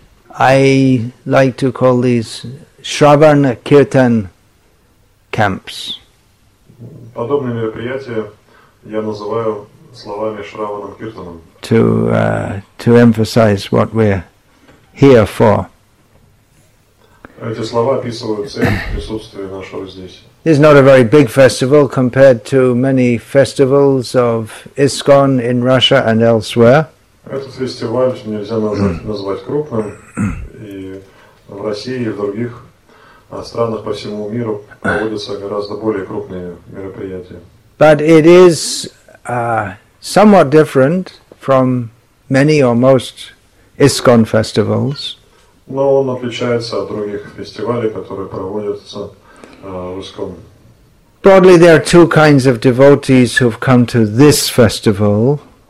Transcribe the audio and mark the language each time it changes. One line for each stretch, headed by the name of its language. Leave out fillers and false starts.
English: I like to call these Shravana Kirtan camps.
Russian: Подобные мероприятия я называю словами Shravanam Kirtanam.
English: To emphasize what we're here for.
Russian: Эти слова описывают цель присутствия нашего здесь.
English: This is not a very big festival compared to many festivals of ISKCON in Russia and elsewhere.
Russian: Этот фестиваль нельзя назвать крупным. В России и в других странах по всему миру проводятся гораздо более крупные мероприятия.
English: But it is somewhat different from many or most ISKCON festivals.
Russian: Но он отличается от других фестивалей, которые проводятся в ISKCON.
English: Broadly, there are two kinds of devotees who've come to this festival.